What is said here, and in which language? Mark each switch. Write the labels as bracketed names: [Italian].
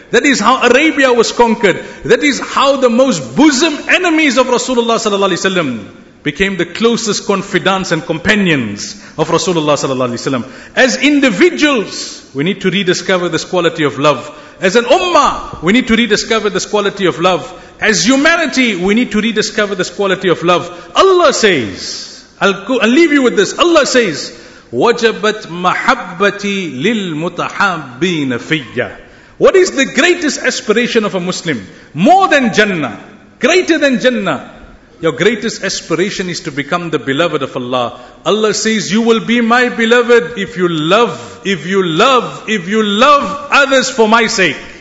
[English] That is how Arabia was conquered. That is how the most bosom enemies of Rasulullah sallallahu alaihi wasallam became the closest confidants and companions of Rasulullah sallallahu alaihi wasallam. As individuals, we need to rediscover this quality of love. As an ummah, we need to rediscover this quality of love. As humanity, we need to rediscover this quality of love. Allah says, I'll leave you with this. Allah says, [Arabic] وَجَبَتْ مَحَبَّتِي لِلْمُتَحَابِّينَ فِيَّ. [English] What is the greatest aspiration of a Muslim? More than Jannah. Greater than Jannah. Your greatest aspiration is to become the beloved of Allah. Allah says, you will be my beloved if you love, if you love, if you love others for my sake.